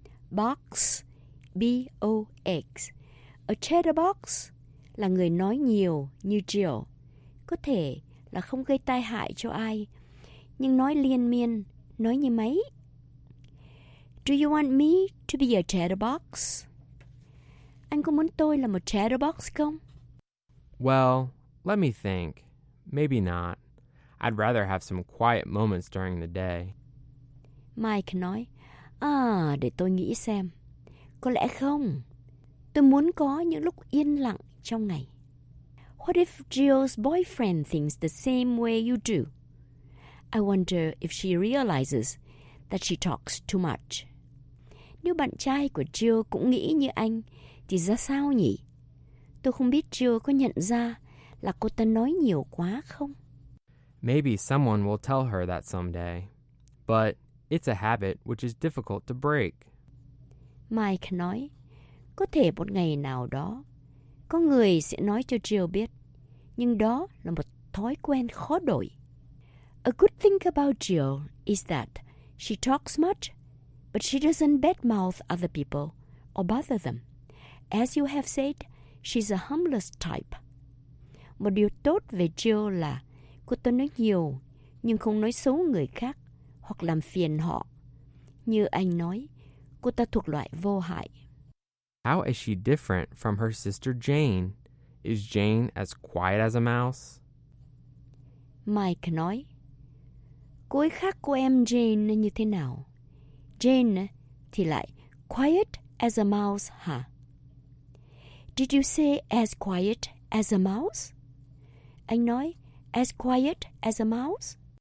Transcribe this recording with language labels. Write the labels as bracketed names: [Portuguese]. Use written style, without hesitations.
[English] Box, B-O-X. A chatterbox [Vietnamese] là người nói nhiều như Jill. Có thể là không gây tai hại cho ai, nhưng nói liên miên, nói như máy. [English] Do you want me to be a chatterbox? [Vietnamese] Anh có muốn tôi là một chatterbox không? [English] Well, let me think. Maybe not. I'd rather have some quiet moments during the day. [Vietnamese] Mike nói, để tôi nghĩ xem. Có lẽ không. Tôi muốn có những lúc yên lặng trong ngày. [English] What if Jill's boyfriend thinks the same way you do? I wonder if she realizes that she talks too much. [Vietnamese] Nếu bạn trai của Jill cũng nghĩ như anh, thì ra sao nhỉ? Tôi không biết Jill có nhận ra là cô ta nói nhiều quá không? [English] Maybe someone will tell her that someday. But it's a habit which is difficult to break. [Vietnamese] Mike nói, có thể một ngày nào đó, có người sẽ nói cho Jill biết, nhưng đó là một thói quen khó đổi. [English] A good thing about Jill is that she talks much, but she doesn't badmouth other people or bother them. As you have said, she's a humblest type. [Vietnamese] Một điều tốt về Jill là cô ta nói nhiều, nhưng không nói xấu người khác hoặc làm phiền họ. Như anh nói, cô ta thuộc loại vô hại. [English] How is she different from her sister Jane? Is Jane as quiet as a mouse? [Vietnamese] Mike nói, cô ấy khác cô em Jane như thế nào? Jane thì lại [English] quiet as a mouse, [Vietnamese] hả? [English] Did you say as quiet as a mouse? [Vietnamese] Anh nói, [English] as quiet as a mouse?